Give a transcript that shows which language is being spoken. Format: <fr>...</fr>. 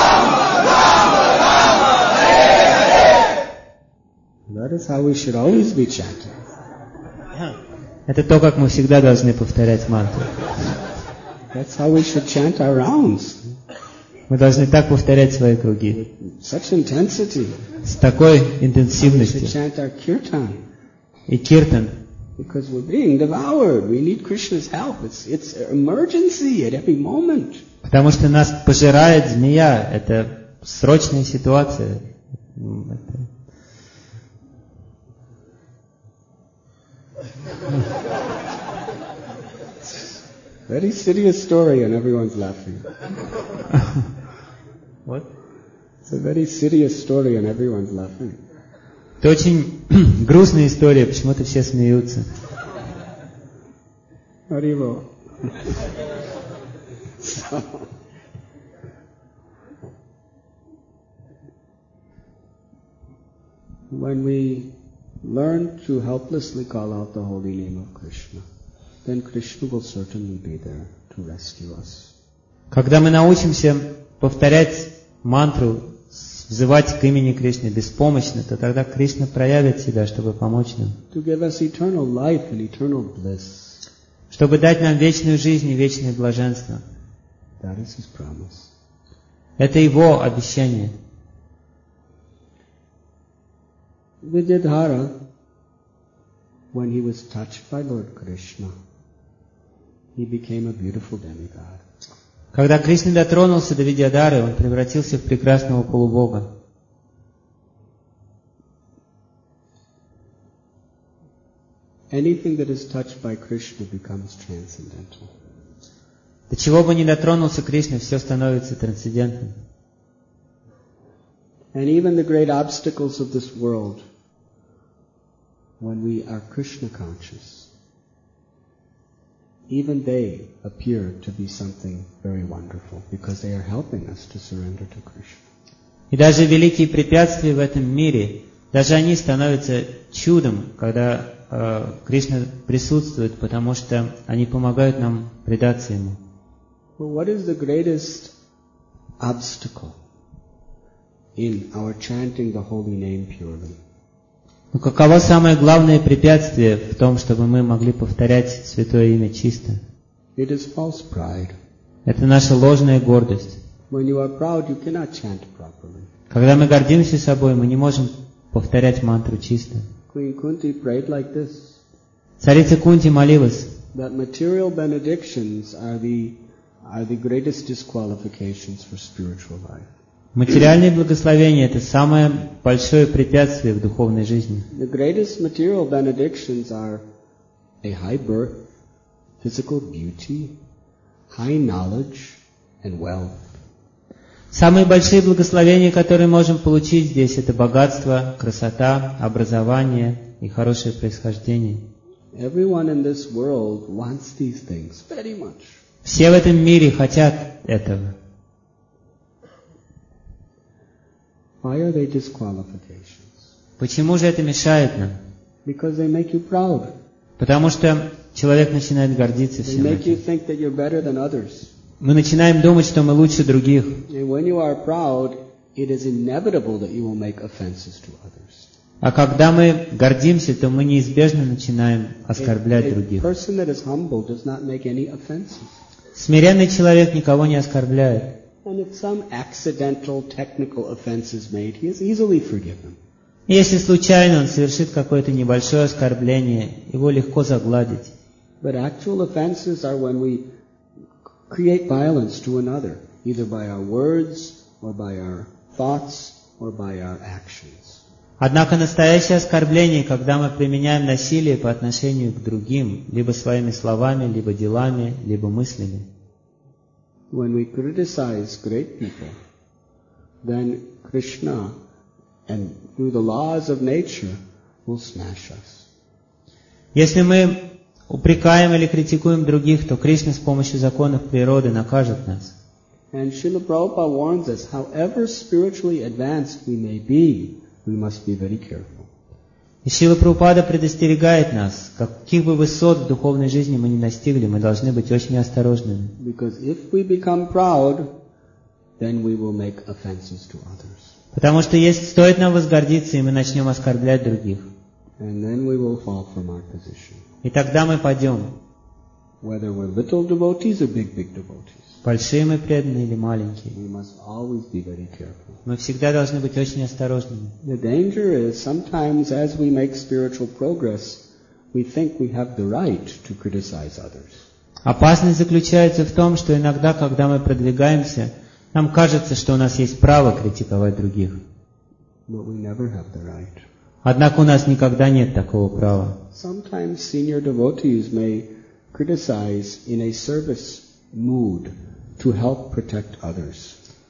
<en>That is how we should always be chanting.</en> <ru>Это то, как мы всегда должны повторять мантру.</ru> <en>That's how we should chant our rounds.</en> <ru>Мы должны так повторять свои круги.</ru> <en>With such intensity.</en> <ru>С такой интенсивностью.</ru> <en>We should chant our kirtan.</en> <ru>И киртан.</ru> <en>Because we're being devoured. We need Krishna's help. It's an emergency at every moment.</en> <ru>Потому что нас пожирает змея. Это срочная ситуация.</ru> <en>Very serious story, and everyone's laughing. What? It's a very serious story, and everyone's laughing.</en> <ru>Это очень грустная история. Почему-то все смеются. Arivo.</ru> <en>When we learn to helplessly call out the holy name of Krishna, then Krishna will certainly be there to rescue us.</en> <ru>Когда мы научимся повторять мантру, взывать к имени Кришны беспомощно, то тогда Кришна проявит себя, чтобы помочь нам.</ru> <en>To give us eternal life and eternal bliss.</en> <ru>Чтобы дать нам вечную жизнь и вечное блаженство.</ru> <en>That is his promise.</en> <ru>Это его обещание.</ru> <en>Vidyadhara, when he was touched by Lord Krishna, he became a beautiful demigod.</en> <ru>Когда Кришна дотронулся до Видьядхары, он превратился в прекрасного полубога.</ru> <en>Anything that is touched by Krishna becomes transcendental.</en> <ru>До чего бы ни дотронулся Кришна, все становится трансцендентным.</ru> <en>And even the great obstacles of this world, when we are Krishna conscious, even they appear to be something very wonderful because they are helping us to surrender to Krishna.</en> <ru>И даже великие препятствия в этом мире, даже они становятся чудом, когда Кришна присутствует, потому что они помогают нам предаться ему.</ru> <en>Well, what is the greatest obstacle in our chanting the holy name purely?</en> <ru>Но каково самое главное препятствие в том, чтобы мы могли повторять Святое Имя чисто?</ru> <en>It is false pride.</en> <ru>Это наша ложная гордость.</ru> <en>When you are proud, you cannot chant properly.</en> <ru>Когда мы гордимся собой, мы не можем повторять мантру чисто.</ru> <en>Queen Kunti prayed like this.</en> <ru>Царица Кунти молилась.</ru> <en>That material benedictions are the greatest disqualifications for spiritual life.</en> <ru>Материальные благословения — это самое большое препятствие в духовной жизни.</ru> <en>The greatest material benedictions are a high birth, physical beauty, high knowledge, and wealth.</en> <ru>Самые большие благословения, которые можем получить здесь, это богатство, красота, образование и хорошее происхождение.</ru> <en>Everyone in this world wants these things very much.</en> <ru>Все в этом мире хотят этого.</ru> <en>Why are they disqualifications?</en> <ru>Почему же это мешает нам?</ru> <en>Because they make you proud.</en> <ru>Потому что человек начинает гордиться всем</ru> <en>They make you think that you're better than others.</en> <ru>Мы начинаем думать, что мы лучше других.</ru> <en>And when you are proud, it is inevitable that you will make offenses to others.</en> <ru>А когда мы гордимся, то мы неизбежно начинаем оскорблять других.</ru> <en>A person that is humble does not make any offenses.</en> <ru>Смиренный человек никого не оскорбляет.</ru> <en>And if some accidental technical offense is made, he is easily forgiven.</en> <ru>Если случайно он совершит какое-то небольшое оскорбление, его легко загладить.</ru> <en>But actual offenses are when we create violence to another, either by our words or by our thoughts or by our actions.</en> <ru>Однако настоящее оскорбление, когда мы применяем насилие по отношению к другим, либо своими словами, либо делами, либо мыслями.</ru> <en>When we criticize great people, then Krishna, and through the laws of nature, will smash us.</en> <ru>Если мы упрекаем или критикуем других, то Кришна с помощью законов природы накажет нас.</ru> <en>And Srila Prabhupada warns us, however spiritually advanced we may be, we must be very careful.</en> <ru>И Srila Prabhupada предостерегает нас, каких бы высот в духовной жизни мы не достигли, мы должны быть очень осторожными.</ru> <en>Because if we become proud, then we will make offenses to others.</en> <ru>Потому что стоит нам возгордиться, и мы начнем оскорблять других.</ru> <en>And then we will fall from our position.</en> <ru>И тогда мы падем.</ru> <en>Whether we're little devotees or big, big devotees.</en> <ru>Большие мы преданные или маленькие.</ru> <en>We must always be very careful.</en> <ru>Мы всегда должны быть очень осторожными.</ru> <en>The danger is sometimes as we make spiritual progress, we think we have the right to criticize others.</en> <ru>Опасность заключается в том, что иногда, когда мы продвигаемся, нам кажется, что у нас есть право критиковать других.</ru> <en>But we never have the right.</en> <ru>Однако у нас никогда нет такого права.</ru> <en>Sometimes senior devotees may criticize in a service mood to help protect others.</en>